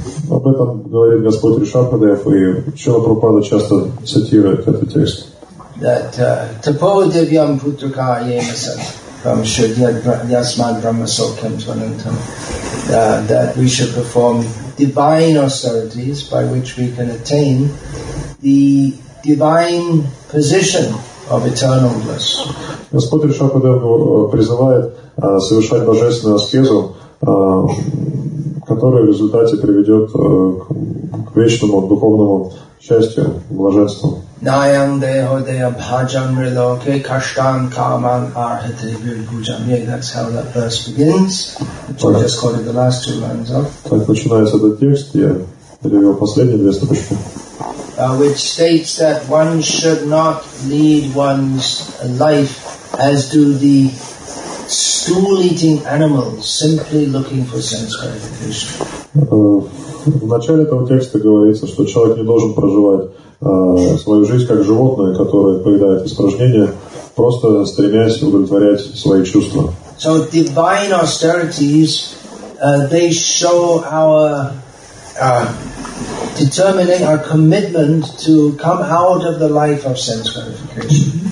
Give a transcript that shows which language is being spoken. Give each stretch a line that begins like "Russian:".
Russian: Об этом говорит Господь Ришабхадев, и Шрила Прабхупада часто цитирует этот текст.
English: That
Sanskrit: tapo devyam putraka yemasa
English: from
Sanskrit: Shriyasman Brahma Sokyam Tvanantam,
English: that we should perform divine austerities by which we can attain the divine position of eternal bliss.
Russian: Господь Ришабхадев призывает совершать божественную аскезу, которая в результате приведет к вечному духовному счастью, блаженству.
Sanskrit: Nayam deho deya bhajam riloke kashtam kaman arhate virgujam.
English: That's how that verse begins. So I just quoted the last two lines of.
Russian: Так начинается этот текст, я перевел последние две строчки.
English: Which states that one should not lead one's life as do the stool-eating animals, simply looking for sense gratification.
Russian: В начале этого текста говорится, что человек не должен проживать свою жизнь как животное, которое поедает испражнения, просто стремясь удовлетворять свои чувства.
English: So divine austerities, they show our determining our commitment to come out of the life of sense gratification.